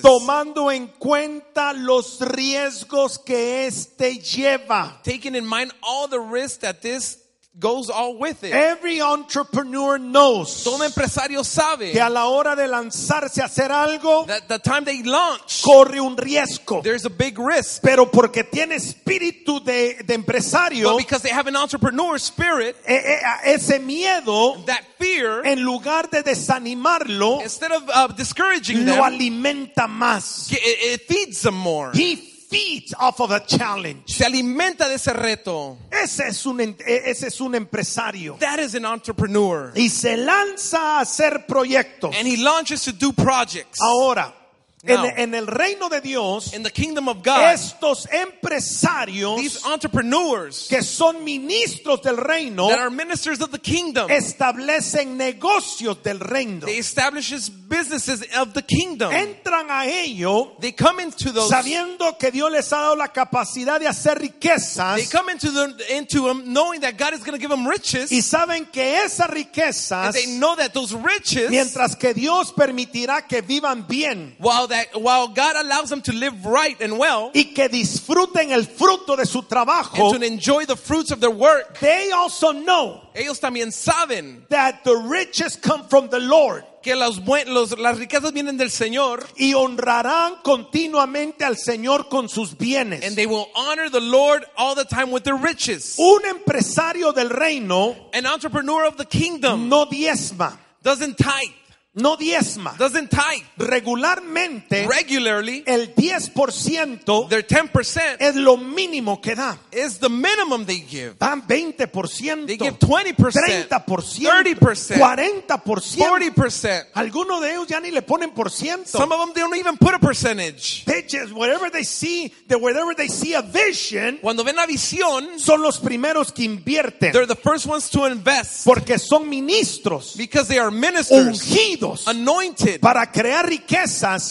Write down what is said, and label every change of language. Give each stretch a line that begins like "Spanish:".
Spanish: Tomando en cuenta los riesgos que este lleva.
English: Taking in mind all the risks that this goes all with it. Every entrepreneur knows.
Spanish: Todo empresario sabe que a la hora de lanzarse a hacer algo,
English: that the time they launch,
Spanish: corre un riesgo.
English: There's a big risk.
Spanish: Pero porque tiene espíritu de empresario,
English: but because they have an entrepreneur spirit,
Spanish: ese miedo,
English: that fear,
Spanish: en lugar de desanimarlo,
English: instead of discouraging
Spanish: lo
English: them,
Spanish: alimenta más.
English: It feeds them more. He feeds off of a challenge.
Spanish: Se alimenta de ese reto. Ese es un empresario.
English: That is an entrepreneur.
Spanish: Y se lanza a hacer proyectos.
English: And he launches to do projects.
Spanish: Ahora, en el reino de Dios,
English: in the kingdom of God,
Spanish: estos empresarios,
English: these entrepreneurs,
Spanish: que son ministros del reino,
English: that are ministers of the kingdom,
Spanish: establecen negocios del reino.
English: They establish businesses of the kingdom.
Spanish: Entran a ello,
English: they come into those,
Spanish: sabiendo que Dios les ha dado la capacidad de hacer riquezas.
English: They come into them knowing that God is going to give them riches.
Spanish: Y saben que esas riquezas,
English: and they know that those riches,
Spanish: mientras que Dios permitirá que vivan bien,
English: while God allows them to live right and well,
Spanish: y que disfruten el fruto de su trabajo,
English: and to enjoy the fruits of their work, they also know,
Spanish: ellos también saben,
English: that the riches come from the Lord.
Spanish: Que las riquezas vienen del Señor. Y honrarán continuamente al Señor con sus bienes.
English: And they will honor the Lord all the time with their riches.
Spanish: Un empresario del reino,
English: an entrepreneur of the kingdom,
Spanish: no diezma,
English: doesn't tithe.
Spanish: No diezma.
English: Doesn't tithe.
Spanish: Regularmente.
English: Regularly.
Spanish: El 10%.
English: Their 10%.
Spanish: Es lo mínimo que dan.
English: Is the minimum they give.
Spanish: Dan 20%.
English: They give 20%.
Spanish: 30%.
English: 30%.
Spanish: 40%.
English: 40%.
Spanish: Algunos de ellos ya ni le ponen por ciento.
English: Some of them, they don't even put a percentage. Pitches, whatever they see, that whenever they see a vision.
Spanish: Cuando ven la visión. Son los primeros que invierten.
English: They're the first ones to invest.
Spanish: Porque son ministros.
English: Because they are ministers.
Spanish: Ungidos.
English: Anointed para crear riquezas,